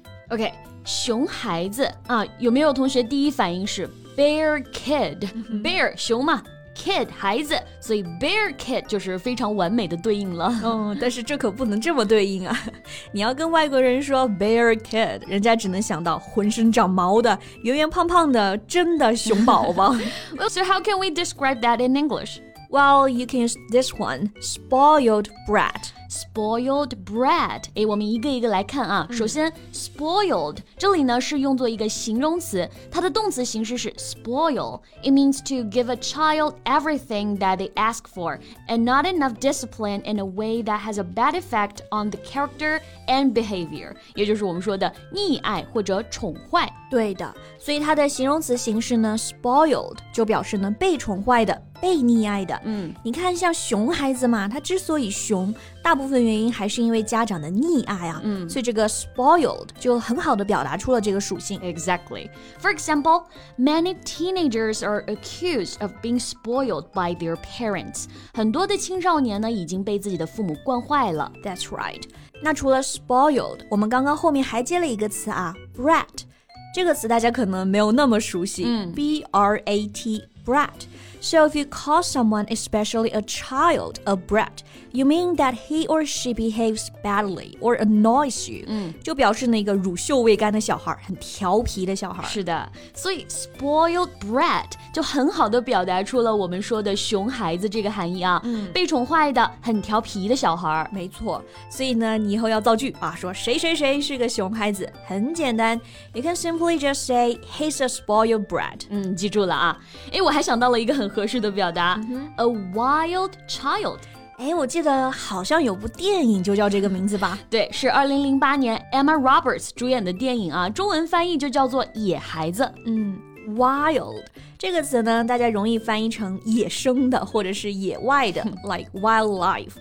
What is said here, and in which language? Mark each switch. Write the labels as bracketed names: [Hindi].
[Chinese] OK, 熊孩子啊，有没有同学第一反应是 [English] bear kid? [Chinese] Bear, 熊嘛，kid 孩子，所以 [English] bear kid [Chinese] 就是非常完美的对应了。嗯，但是这可不能这么对应啊，你要跟外国人说 [English] bear kid, [Chinese] 人家只能想到浑身长毛的圆圆胖胖的真的熊宝宝。 [English] Well, so how can we describe that in English? Well, you can use this one, spoiled brat. Spoiled brat. [Chinese] 诶，我们一个一个来看啊。首先 spoiled 这里呢是用作一个形容词，它的动词形式是 spoil. [English] It means to give a child everything that they ask for and not enough discipline in a way that has a bad effect on the character and behavior. [Chinese] 也就是我们说的溺爱或者宠坏。对的，所以它的形容词形式呢 spoiled 就表示呢被宠坏的、被溺爱的。嗯，你看像熊孩子嘛，他之所以熊，大部分原因还是因为家长的溺爱啊。嗯，所以这个 spoiled 就很好的表达出了这个属性。 [English] Exactly. For example, many teenagers are accused of being spoiled by their parents. [Chinese] 很多的青少年呢已经被自己的父母惯坏了。 [English] That's right. [Chinese] 那除了 spoiled, 我们刚刚后面还接了一个词啊， brat. 这个词大家可能没有那么熟悉。嗯， [English] B-R-A-T, brat. So if you call someone, especially a child, a brat, you mean that he or she behaves badly or annoys you. 嗯， [Chinese] 就表示那个乳臭未干的小孩，很调皮的小孩。是的，所以 [English] spoiled brat [Chinese] 就很好的表达出了我们说的熊孩子这个含义啊。嗯，被宠坏的，很调皮的小孩。没错，所以呢，你以后要造句啊，说谁谁谁是个熊孩子，很简单。 [English] You can simply just say he's a spoiled brat. [Chinese] 嗯，记住了啊。哎，我还想到了一个很合适的表达、 mm-hmm. [English] A wild child. [Chinese] 诶，我记得好像有部电影就叫这个名字吧。对，是2008年 Emma Roberts 主演的电影啊，中文翻译就叫做野孩子。嗯， wild 这个词呢，大家容易翻译成野生的或者是野外的 [English] like wildlife.